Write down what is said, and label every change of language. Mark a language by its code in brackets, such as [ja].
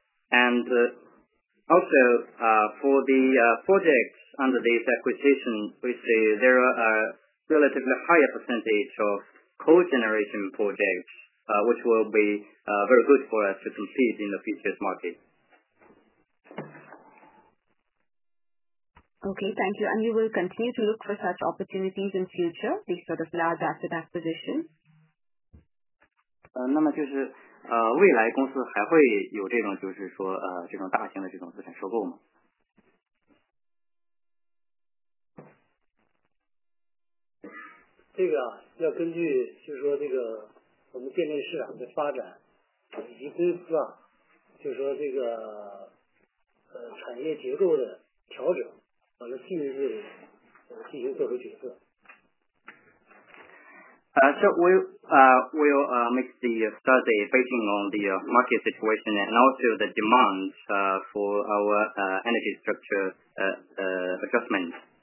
[en] And also for the projects under this acquisition, we see there are relatively higher percentage of coal generation projects, which will be very good for us to compete in the futures market. Okay, thank you. And you will continue to look for such opportunities in future, these sort of large asset acquisitions? [zh] 那么就是未来公司还会有这种就是说这种大型的这种资产收购吗？这个啊，要根据就是说这个我们电力市场的发展，以及公司啊，就是说这个产业结构的调整，完了进一步进行做出决策。 [en] So we will make the study based on the market situation and also the demand for our energy structure adjustment.